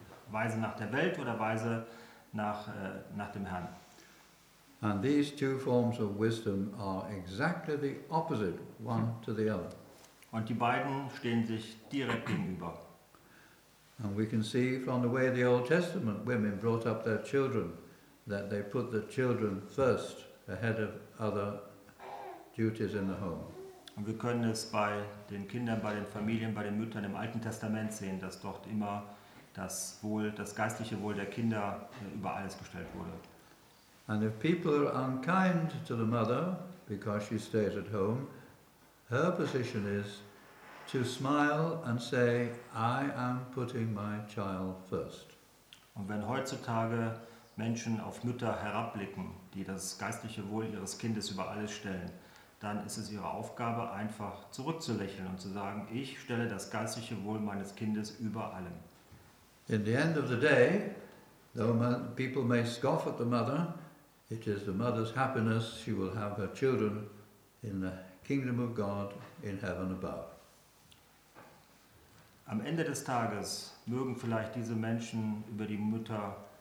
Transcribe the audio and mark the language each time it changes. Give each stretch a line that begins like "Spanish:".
German: Weise nach der Welt oder weise nach dem Herrn.
English: And these two forms of wisdom are exactly the opposite one to the other.
German: Und die beiden stehen sich direkt gegenüber.
English: And we can see from the way the Old Testament women brought up their children that they put the children first ahead of other duties in the home.
German: Und wir können es bei den Kindern, bei den Familien, bei den Müttern im Alten Testament sehen, dass dort immer das geistliche Wohl der Kinder über alles gestellt wurde.
English: And if people are unkind to the mother because she stays at home, her position is to smile and say, I am putting my child first.
German: Und wenn heutzutage Menschen auf Mütter herabblicken, die das geistliche Wohl ihres Kindes über alles stellen, dann ist es ihre Aufgabe, einfach zurückzulächeln und zu sagen, ich stelle das geistliche Wohl meines Kindes über allem.
English: In the end of the day, though people may scoff at the mother, it is the mother's happiness she will have her children in the kingdom of God in heaven above.
German: Am Ende des Tages mögen vielleicht diese Menschen über die Mütter